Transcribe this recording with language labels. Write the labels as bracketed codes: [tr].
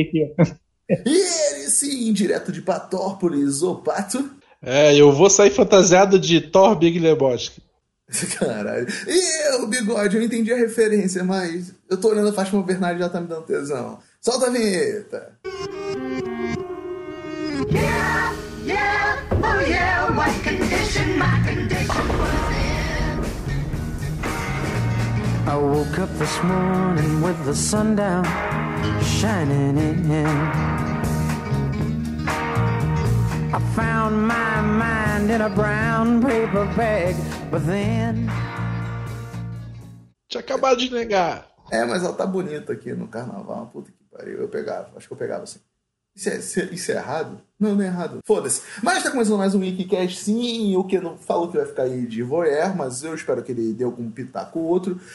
[pt] Aqui. E ele sim, direto de Patópolis, o Pato. É, eu vou sair fantasiado de Thor Big Lebowski. Caralho. E eu, Bigode, eu entendi a referência, mas eu tô olhando a Fátima Bernardi e já tá me dando tesão. Solta a vinheta. [en] Yeah, yeah, oh yeah, what condition, my condition was in. I woke up this morning with the sundown shining in. I found my mind in a brown paper bag, but then... [pt] Tinha acabado de negar. É, mas ela tá bonita aqui no carnaval. Puta que pariu. Eu pegava, acho que eu pegava assim. Isso é errado? Não é errado. Foda-se. Mas tá começando mais um WikiCast, sim. O que não falou que vai ficar aí de voyeur, mas eu espero que ele dê algum pitaco ou outro.